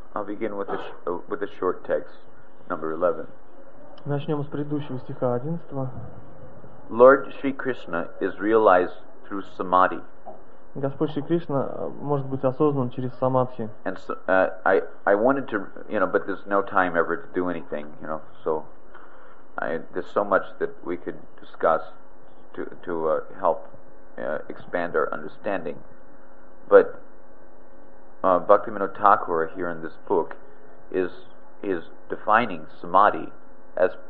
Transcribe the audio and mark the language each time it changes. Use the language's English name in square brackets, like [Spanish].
[English] I'll begin with a short text, number 11. [Russian] Начнем с предыдущего стиха 11. [English] Lord Shri Krishna is realized through samadhi. [Russian] Господь Шри Кришна может быть осознан через самадхи. [English] And so, I wanted to, but there's no time ever to do anything, So there's so much that we could discuss to help expand our understanding. But Bhaktivinoda Thakura here in this book is defining samadhi as